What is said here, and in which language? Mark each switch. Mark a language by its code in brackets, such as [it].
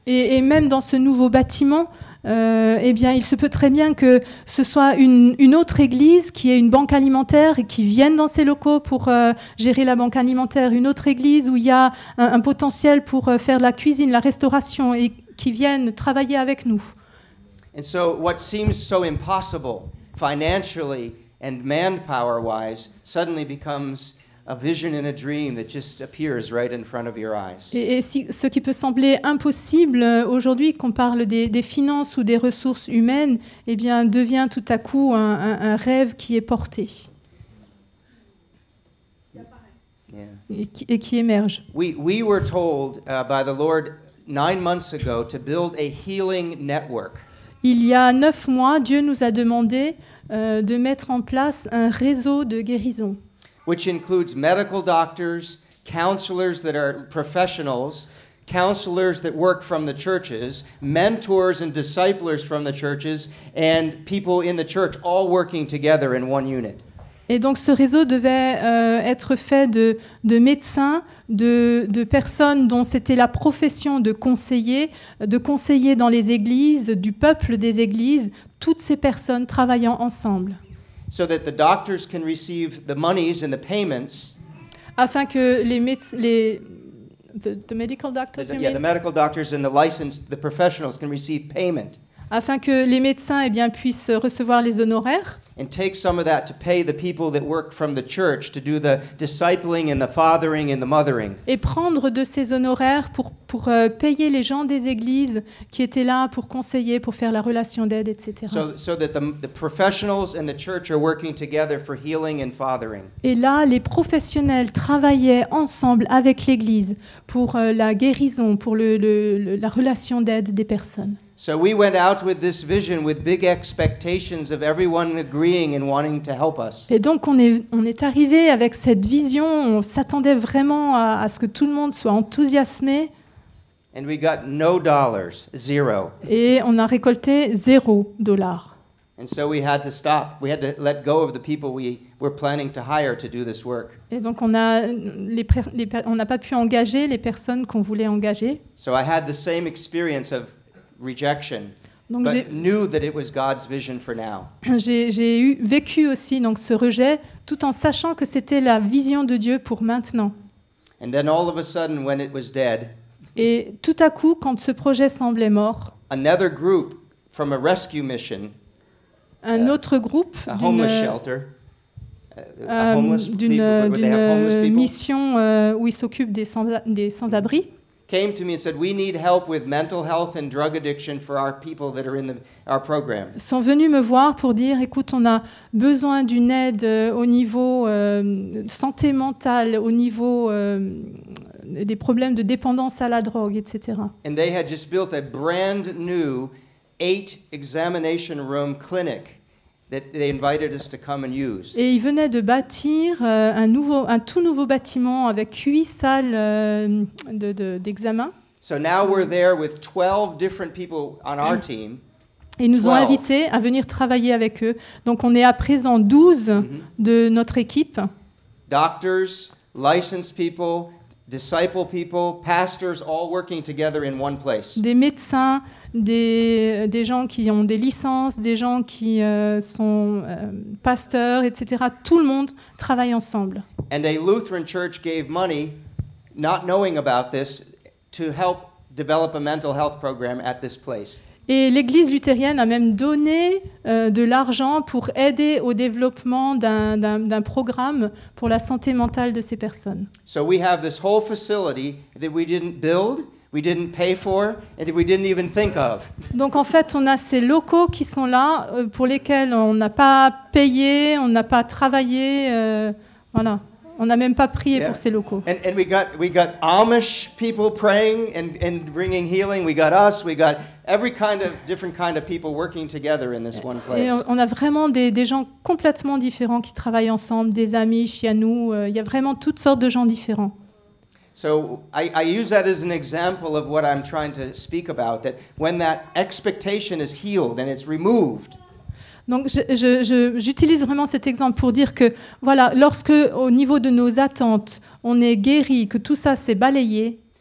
[fr] Et même dans ce nouveau bâtiment, il se peut très bien que ce soit une autre église qui ait une banque alimentaire et qui vienne dans ces locaux pour gérer la banque alimentaire, une autre église où il y a un potentiel pour faire la cuisine, la restauration et qui vienne travailler avec nous. [en] And so what seems so impossible financially and manpower wise suddenly becomes a vision in a dream that just appears right in front of your eyes. [fr] Et si, ce qui peut sembler impossible aujourd'hui, qu'on parle des finances ou des ressources humaines, eh bien, devient tout à coup un rêve qui est porté. [en] Yeah. [fr] Et qui émerge. [en] We were told by the Lord 9 months ago to build a healing network. [fr] Il y a 9 mois, Dieu nous a demandé de mettre en place un réseau de guérison. [en] Which includes medical doctors, counselors that are professionals, counselors that work from the churches, mentors and disciplers from the churches, and people in the church all working together in one unit. [fr] Et donc ce réseau devait être fait de médecins, de personnes dont c'était la profession de conseiller dans les églises, du peuple des églises, toutes ces personnes travaillant ensemble. [en] So that the doctors can receive the monies and the payments. [fr] Afin que [en] the medical doctors. The medical doctors and the licensed, the professionals can receive payment. [fr] Afin que les médecins eh bien, puissent recevoir les honoraires. [en] And take some of that to pay the people that work from the church to do the discipling and the fathering and the mothering. [fr] Et prendre de ces honoraires pour payer les gens des églises qui étaient là pour conseiller, pour faire la relation d'aide, etc. [en] So that the professionals and the church are working together for healing and fathering. [fr] Et là, les professionnels travaillaient ensemble avec l'église pour la guérison, pour la relation d'aide des personnes. [en] So we went out with this vision with big expectations of everyone agreeing and wanting to help us. [fr] Et donc on est arrivé avec cette vision, on s'attendait vraiment à ce que tout le monde soit enthousiasmé. [en] And we got no dollars, zero. [fr] Et on a récolté $0. [en] And so we had to stop. We had to let go of the people we were planning to hire to do this work. [fr] Et donc on n'a pas pu engager les personnes qu'on voulait engager. [en] So I had the same experience of rejection, donc but knew that it was God's vision for now. [fr] J'ai vécu aussi donc ce rejet, tout en sachant que c'était la vision de Dieu pour maintenant. [en] And then all of a sudden, when it was dead, [fr] et tout à coup, quand ce projet semblait mort, [en] another group from a rescue mission, [fr] un autre groupe [en] a homeless shelter, [fr] d'une mission où ils s'occupent des sans-abri. [en] Came to me and said, "We need help with mental health and drug addiction for our people that are in our program." [fr] Sont venus me voir pour dire, écoute, on a besoin d'une aide au niveau santé mentale, au niveau des problèmes de dépendance à la drogue, etc. [en] And they had just built a brand new 8 examination room clinic that they invited us to come and use. [fr] Et ils venaient de bâtir un tout nouveau bâtiment avec 8 salles d'examen. [en] So now we're there with 12 different people on our team. [fr] Ils nous ont invités à venir travailler avec eux. Donc on est à présent 12 de notre équipe. [en] Doctors, licensed people, disciple people, pastors, all working together in one place. [fr] Des médecins, des gens qui ont des licences, des gens qui sont pasteurs, etc. Tout le monde travaille ensemble. [en] And a Lutheran church gave money, not knowing about this, to help develop a mental health program at this place. [fr] Et l'église luthérienne a même donné de l'argent pour aider au développement d'un programme pour la santé mentale de ces personnes. [en] So we have this whole facility that we didn't build, we didn't pay for, and we didn't even think of. [fr] Donc en fait, on a ces locaux qui sont là pour lesquels on n'a pas payé, on n'a pas travaillé, voilà. On n'a même pas prié pour ces locaux. [en] And we got Amish people praying and bringing healing. We got us. We got every kind of different kind of people working together in this one place. [fr] Et on a vraiment des gens complètement différents qui travaillent ensemble, des Amish, Yanou. Il y a vraiment toutes sortes de gens différents. [en] So I use that as an example of what I'm trying to speak about. That when that expectation is healed and it's removed. [fr] Donc j'utilise vraiment cet exemple pour dire que voilà, lorsque au niveau de nos attentes, on est guéri, que tout ça s'est balayé.